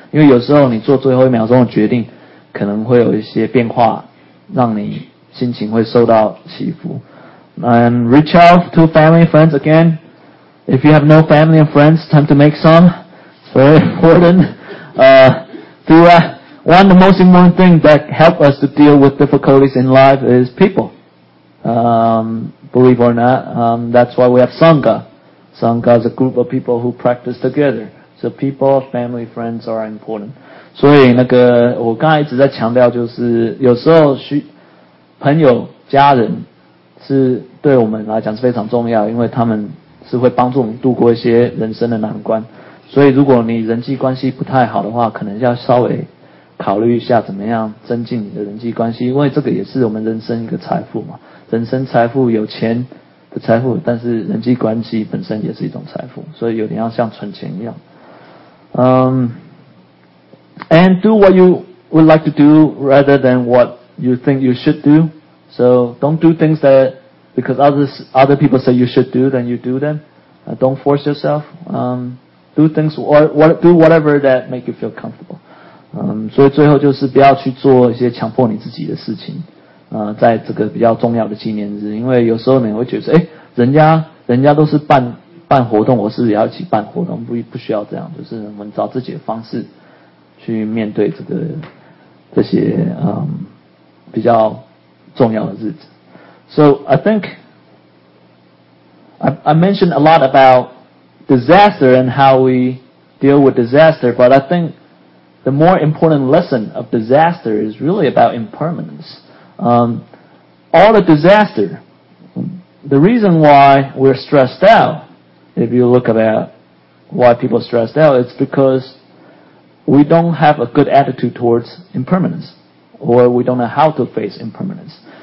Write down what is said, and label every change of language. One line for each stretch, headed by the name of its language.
Chinese: 因为有时候你做最后一秒钟的决定可能会有一些变化，让你心情会受到起伏。
English: And reach out to family and friends again. If you have no family and friends, time to make some. It's very important. One of the most important things that help us to deal with difficulties in life is people. Believe or not, that's why we have Sangha. Sangha is a group of people who practice together. So people, family, friends are important.
Chinese: 所以那个我刚才一直在强调，就是有时候朋友家人是对我们来讲是非常重要，因为他们是会帮助我们度过一些人生的难关。所以如果你人际关系不太好的话，可能要稍微考虑一下怎么样增进你的人际关系，因为这个也是我们人生一个财富嘛。人生财富有钱的财富，但是人际关系本身也是一种财富，所以有点要像存钱一样。
English: And do what you would like to do rather than what you think you should do. So don't do things that because other people say you should do, then you do them. Don't force yourself. Do whatever that make you feel comfortable.
Chinese: 所以最后就是不要去做一些强迫你自己的事情。在这个比较重要的纪念日，因为有时候你会觉得，人家都是办活动，我是不是也要一起办活动？不需要这样，就是我们找自己的方式去面对这些比较重要的日子。
English: So I think I mentioned a lot about disaster and how we deal with disaster, but I think the more important lesson of disaster is really about impermanence. All the disaster, the reason why we're stressed out, if you look about why people are stressed out, it's because we don't have a good attitude towards impermanence, or we don't know how to face impermanence.